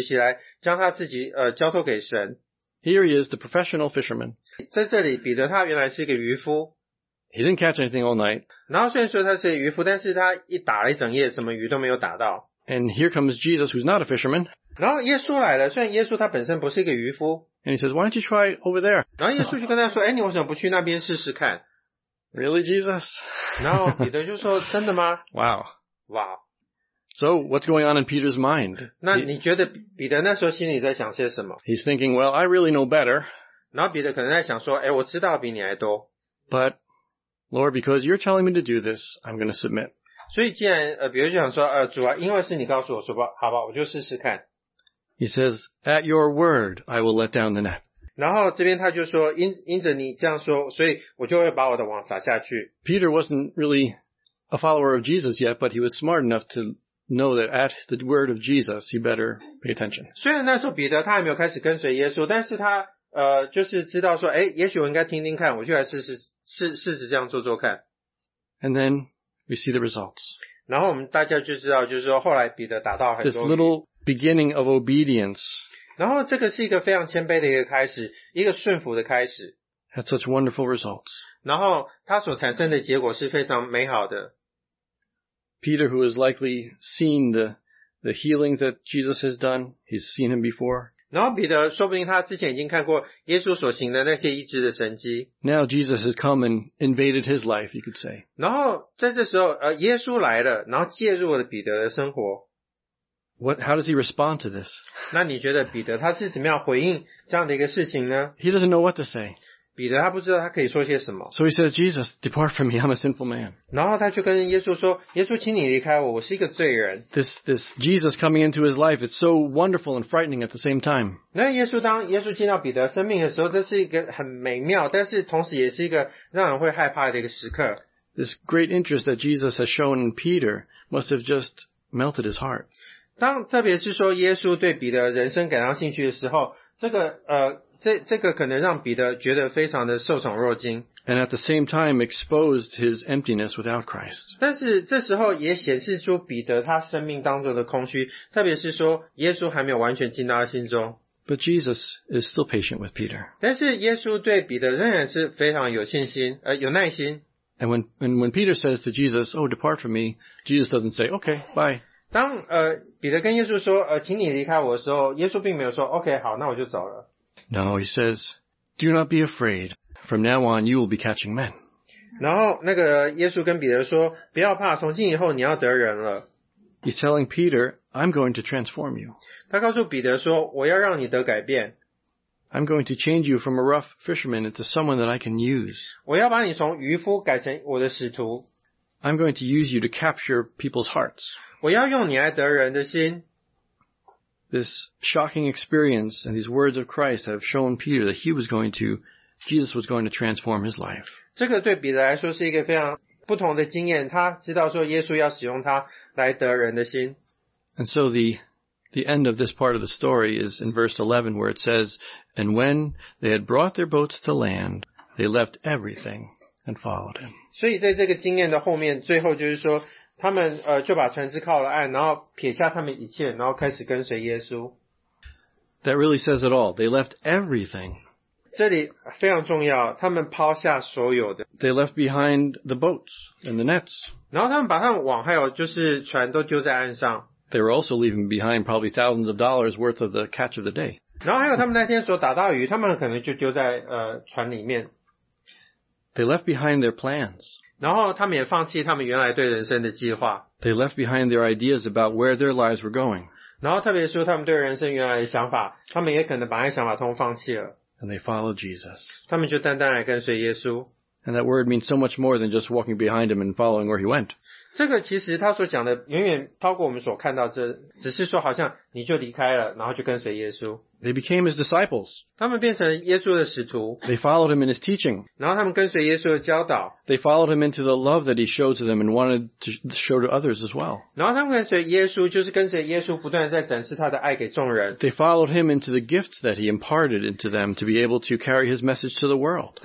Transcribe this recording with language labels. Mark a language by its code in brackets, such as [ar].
[zh] 在一开始我们就看到说彼得他是如何学习来将他自己交托给神。 [en] Here he is, the professional fisherman. [zh] 在这里彼得他原来是一个渔夫。 [en] He didn't catch anything all night. [zh] 然后虽然说他是渔夫，但是他一打了一整夜，什么鱼都没有打到。 [en] And here comes Jesus, who's not a fisherman. [zh] 然后耶稣来了，虽然耶稣他本身不是一个渔夫。 [en] And He says, why don't you try over there? [zh] 然后耶稣就跟他说, 哎，你为什么不去那边试试看? [en] Really, Jesus? [zh] 然后彼得就说，真的吗? [en] Wow. Wow. So, what's going on in Peter's mind? [zh] 那你觉得彼得那时候心里在想些什么? [en] He's thinking, well, I really know better. [zh] 然后彼得可能在想说, 哎，我知道比你还多。 [en] But, Lord, because You're telling me to do this, I'm going to submit. [zh] 所以既然彼得就想说，主啊，因为是你告诉我说吧，好吧，我就试试看。 [en] He says, at Your word, I will let down the net. [zh] 然后这边他就说因着你这样说，所以我就会把我的网撒下去。 [en] Peter wasn't really a follower of Jesus yet, but he was smart enough to know that at the word of Jesus, he better pay attention. [zh] 虽然那时候彼得他还没有开始跟随耶稣，但是他就是知道说，诶，也许我应该听听看，我就来试试这样做做看。 [en] And then we see the results. [zh] 然后我们大家就知道，就是说后来彼得达到很多。 [en] This little beginning of obedience. [zh] 然后这个是一个非常谦卑的一个开始，一个顺服的开始。 [en] Had such wonderful results. [zh] 然后他所产生的结果是非常美好的。 [en] Peter, who has likely seen the healing that Jesus has done, he's seen him before. [zh] 然后彼得说不定他之前已经看过耶稣所行的那些医治的神迹。 [en] Now Jesus has come and invaded his life, you could say. [zh] 然后在这时候，耶稣来了，然后介入了彼得的生活。 [en] How does he respond to this? [zh] 那你觉得彼得他是怎么样回应这样的一个事情呢？ [en] He doesn't know what to say. [zh] 彼得他不知道他可以说些什么。 [en] So he says, Jesus, depart from me, I'm a sinful man. [zh] 然后他就跟耶稣说，耶稣请你离开我，我是一个罪人。 [en] This Jesus coming into his life, it's so wonderful and frightening at the same time. [zh] 那耶稣当耶稣进到彼得生命的时候，这是一个很美妙，但是同时也是一个让人会害怕的一个时刻。 [en] This great interest that Jesus has shown in Peter must have just melted his heart. [zh] 当特别是说耶稣对彼得人生感到兴趣的时候，这个可能让彼得觉得非常的受宠若惊。 [en] And at the same time exposed his emptiness without Christ. [zh] 但是这时候也显示出彼得他生命当中的空虚，特别是说耶稣还没有完全进到他心中。 [en] But Jesus is still patient with Peter. [zh] 但是耶稣对彼得仍然是非常有信心，有耐心。 [en] And when Peter says to Jesus, oh, depart from me, Jesus doesn't say, okay, bye. [zh] 当彼得跟耶稣说请你离开我的时候，耶稣并没有说 OK, 好，那我就走了。 [en] No, he says, do not be afraid. From now on, you will be catching men. [zh] 然后那个耶稣跟彼得说，不要怕，从今以后你要得人了。 [en] He's telling Peter, I'm going to transform you. [zh] 他告诉彼得说，我要让你得改变。 [en] I'm going to change you from a rough fisherman into someone that I can use. [zh] 我要把你从渔夫改成我的使徒。 [en] I'm going to use you to capture people's hearts. [zh] 我要用你来得人的心。 [en] This shocking experience and these words of Christ have shown Peter that Jesus was going to transform his life. [zh] 这个对彼得来说是一个非常不同的经验，他知道说耶稣要使用他来得人的心。 [en] And so the end of this part of the story is in verse 11 where it says, And when they had brought their boats to land, they left everything and followed him. [zh] 所以在这个经验的后面，最后就是说他们就把船只靠了岸，然后撇下他们一切，然后开始跟随耶稣。 [en] That really says it all. They left everything. [zh] 这里非常重要，他们抛下所有的。 [en] They left behind the boats and the nets. [zh] 然后他们把他们网还有就是船都丢在岸上。 [en] They were also leaving behind probably thousands of dollars worth of the catch of the day. [zh] 然后还有他们那天所打到鱼，他们可能就丢在船里面。 [en] They left behind their plans. [zh] 然后他们也放弃他们原来对人生的计划。 [en] They left behind their ideas about where their lives were going. [zh] 然后特别说他们对人生原来的想法，他们也可能把那些想法通放弃了。 [en] And they followed Jesus. [zh] 他们就单单来跟随耶稣。 [en] And that word means so much more than just walking behind him and following where he went. [zh] 这个其实他所讲的远远超过我们所看到这，只是说好像你就离开了，然后就跟随耶稣。 [en] They became his disciples. [zh] 他们变成耶稣的使徒。 [en] They followed him in his teaching. [zh] 然后他们跟随耶稣的教导。 [en] They followed him into the love that he showed to them and wanted to show to others as well. [zh] 然后他们跟随耶稣，就是跟随耶稣不断在展示他的爱给众人。 [en] They followed him into the gifts that he imparted into them to be able to carry his message to the world.